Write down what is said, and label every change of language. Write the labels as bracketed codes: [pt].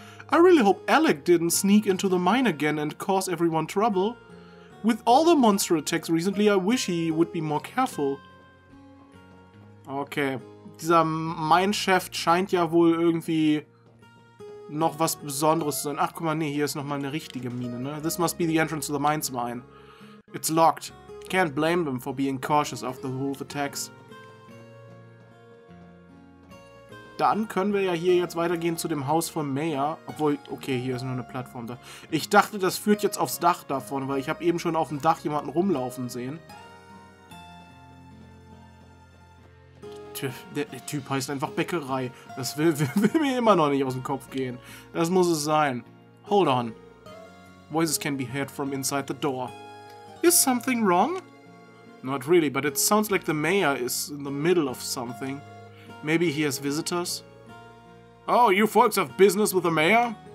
[en] I really hope Alec didn't sneak into the mine again and cause everyone trouble. With all the monster attacks recently, I wish he would be more careful. [de] Okay, dieser Mineshaft scheint ja wohl irgendwie noch was Besonderes zu sein. Ach, guck mal, nee, hier ist nochmal eine richtige Mine, ne? [en] This must be the entrance to the mines mine. It's locked. Can't blame them for being cautious of the wolf attacks. [de] Dann können wir ja hier jetzt weitergehen zu dem Haus von Mayor. Obwohl, okay, hier ist nur eine Plattform da. Ich dachte, das führt jetzt aufs Dach davon, weil ich habe eben schon auf dem Dach jemanden rumlaufen sehen. Der Typ heißt einfach Bäckerei. Das will mir immer noch nicht aus dem Kopf gehen. Das muss es sein. [en] Hold on. Voices can be heard from inside the door. Is something wrong? Not really, but it sounds like the mayor is in the middle of something. Maybe he has visitors? Oh, you folks have business with the mayor?